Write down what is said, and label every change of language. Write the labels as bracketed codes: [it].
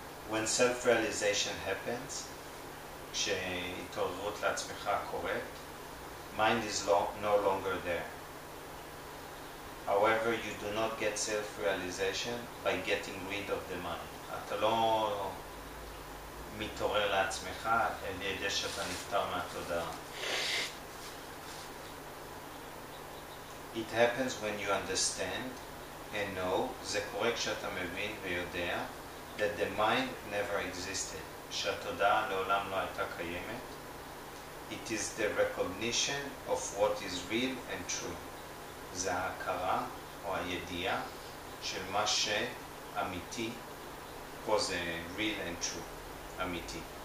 [en] When self-realization happens, [he] כשהתעוררות לעצמך קורית, [en] mind is no longer there. However, you do not get self-realization by getting rid of the mind. [he] אתה לא מתעורר לעצמך על ידי שאתה נפטר מהתודעה. [en] It happens when you understand and know, [he] זה קורה כשאתה מבין ויודע, [en] that the mind never existed, [he] שהתודעה לעולם לא הייתה קיימת. [en] It is the recognition of what is real and true. [he] זה ההכרה או הידיעה של מה שאמיתי, פה זה [en] real and true, [he] אמיתי.